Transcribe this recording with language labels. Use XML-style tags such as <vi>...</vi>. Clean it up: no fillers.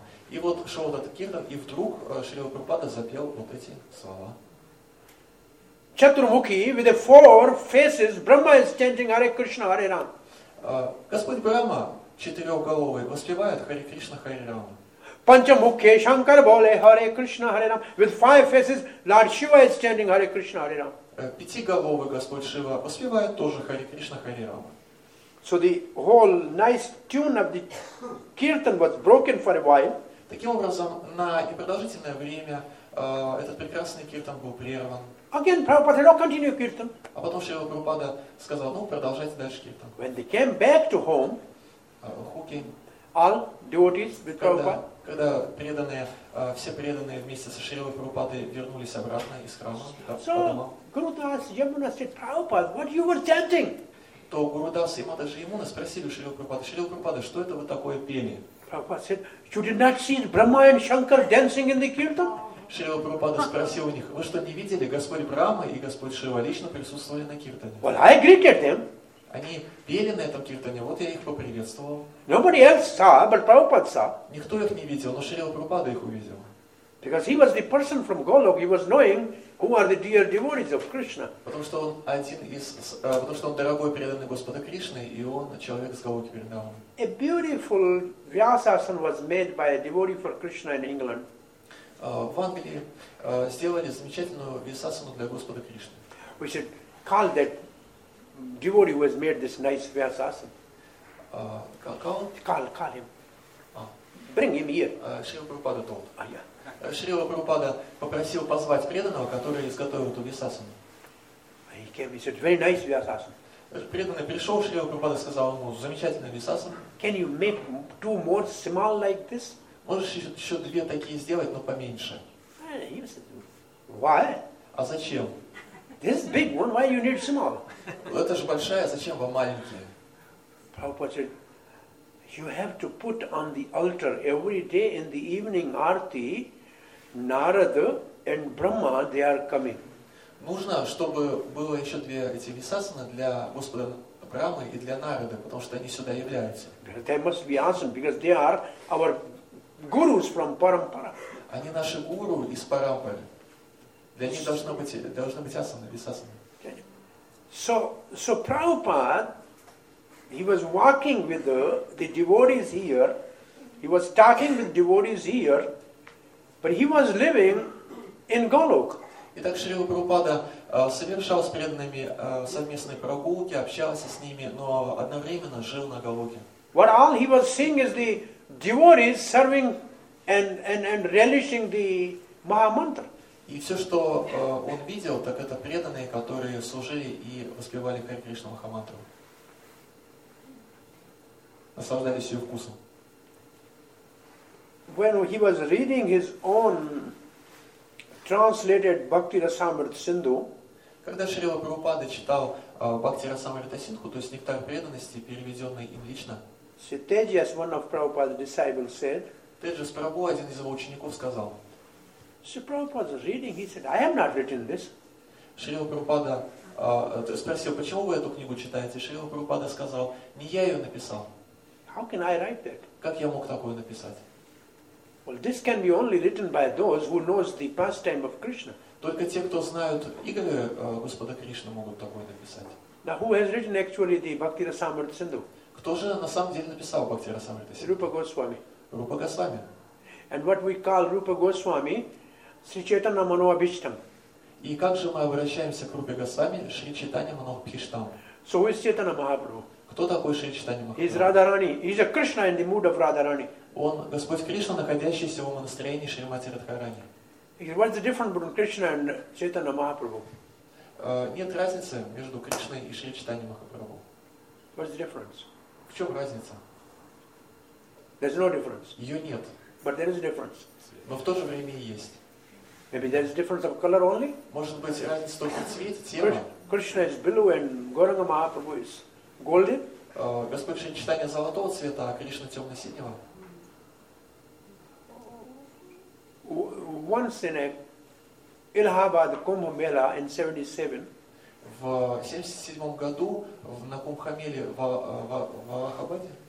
<ru>И вот шел этот Киртан, и вдруг Шрила Прабхупада запел вот эти слова.</ru> <en>Chaturmukhi with the four faces, Brahma is chanting Hare Krishna Hare Ram.</en> <ru>Господь Брахма, четырехголовый, воспевает Hare Krishna Hare Ram.</ru> <hi>Panchamukhe Shankar Bole Hare Krishna Hare Ram.</hi> <en>With five faces, Lord Shiva is chanting Hare Krishna Hare Ram.</en> <ru>Пятиголовый Господь Шива воспевает тоже Хари Кришна Хари Рама.</ru> <en>So the whole nice tune of the kirtan was broken for a while.</en> <ru>Таким образом, на непродолжительное время этот прекрасный киртан был прерван.</ru> <en>Again, Prabhupada said, "No, continue kirtan."</en> <ru>А потом Шрила Прабхупада сказал, "Ну, продолжайте дальше киртан."</ru> <en>When they came back to home, who came? All devotees with Prabhupada.</en> <ru>Когда преданные, все преданные вместе со Шрилой Прабхупадой вернулись обратно из храма,</ru> <en>Gurudas, Yamuna said, Prabhupada, what you were chanting?</en> <ru>То Гурудас и Матаджи Ямуна спросили Шрилу Прабхупаду, Шрилу Прабхупада, что это вы такое пели?</ru> <en>Prabhupada said, you did not see Brahma and Shankar dancing in the kirtan?</en> <ru>Шрила Прабхупада спросил у них, вы что не видели, Господь Брахма и Господь Шива лично присутствовали на киртане?</ru> <en>Well, I greeted them.</en> <ru>Они пели на этом киртане, вот я их поприветствовал.</ru> <en>Nobody else saw, but Prabhupada saw.</en> <ru>Никто их не видел, но Шрила Прабхупада их увидел.</ru> <en>Because he was the person from Golok, he was knowing who are the dear devotees of Krishna.</en> <ru>Потому что он дорогой преданный Господа Кришны, и он человек с Голоки Вриндаван.</ru> <en>A beautiful Vyasasana was made by a devotee for Krishna in England.</en> <ru>В Англии сделали замечательную Вьясасану для Господа Кришны.</ru> <en>We should call that devotee who has made this nice Vyasasana. Call him. Bring him here. Шрила Прабхупада told. Ah, yeah.</en> <ru>Шрила Прабхупада попросил позвать преданного, который изготовил эту висасану.</ru> <en>He came, he said, very nice висасана.</en> <ru>Преданный пришел, Шрила Прабхупада сказал ему, замечательная висасана.</ru> <en>Can you make two more small like this?</en> <ru>Можешь еще две такие сделать, но поменьше.</ru> <en>He said, why?</en> <ru>А зачем?</ru> <en>This is big one, why you need small?</en> <ru>Это же большая, зачем вам маленькие?</ru> <en>Prabhupada said, you have to put on the altar every day in the evening arti, Narada and Brahma, they are coming.</en> <ru>Нужно, чтобы было еще две эти висасаны для Господа Брамы и для Нарады, потому что они сюда являются.</ru> <en>They must be awesome, because they are our gurus from Parampara.</en> <ru>Они наши гуру из Парампары. Для них должны быть асаны, висасаны.</ru> <en>So Prabhupada, he was walking with the devotees here. He was talking with devotees here, but he was living in Golok.</en> <ru>Итак, Шрила Прабхупада совершал с преданными совместные прогулки, общался с ними, но одновременно жил на Голоке. What all he was seeing is the devotees serving and relishing the Maha Mantra. И все, что он видел, так это преданные, которые служили и воспевали Хари Кришна Маха Мантру. Наслаждались ее вкусом.</ru> <en>When he was reading his own translated Bhakti Rasamrita Sindhu,</en> <ru>когда Шрила Прабхупада читал Бхакти Расамрита Синдху, то есть нектар преданности, переведенный им лично,</ru> <en>Tejas, one of Prabhupada's disciples, said,</en> <ru>Теджас Прабху, один из его учеников, сказал,</ru> <en>Prabhupada's reading, he said, I have not written this.</en> <ru>Шрила Прабхупада спросил, почему вы эту книгу читаете? Шрила Прабхупада сказал, не я ее написал.</ru> <en>How can I write that?</en> <ru>Как я мог такое написать?</ru> <en>Well, this can be only written by those who knows the pastime of Krishna.</en> <ru>Только те, кто знают игры Господа Кришны, могут такое написать.</ru> <en>Now, who has written actually the Bhakti Rasamrita Sindhu?</en> <ru>Кто же на самом деле написал Бхакти Расамрита Синдху?</ru> <en>Rupa Goswami. Rupa Goswami. And what we call Rupa Goswami, Sri Chaitanya Manobhishtam.</en> <ru>И как же мы обращаемся к Rupa Goswami, Sri Chaitanya Manobhishtam?</ru> <en>So who is Chaitanya Mahaprabhu?</en> <ru>Кто такой Шри Чайтанья Махапрабху?</ru> <en>He's Radharani. He's a Krishna in the mood of Radharani.</en> <ru>Он Господь Кришна, находящийся в умонастроении Шримати Радхарани.</ru> <en>What's the difference between Krishna and Chaitanya Mahaprabhu?</en> <ru>Нет разницы между Кришной и Шри Чайтанья Махапрабху.</ru> <en>What's the difference?</en> <ru>В чем разница?</ru> <en>There's no difference.</en> <ru>Ее нет.</ru> <en>But there is a difference.</en> <ru>Но в то же время и есть.</ru> <en>Maybe there's a difference of color only?</en> <ru>Может быть, разница только в цвете, тема?</ru> <en>Krishna is blue and Gauranga Mahaprabhu is golden.</en> <ru>Господь Шри Чайтанья золотого цвета, а Кришна темно-синего.</ru> <en>Once in a Allahabad Kumbh Mela in 77.</en> <ru>В 77 году в Кумбхамеле в Аллахабаде.</ru>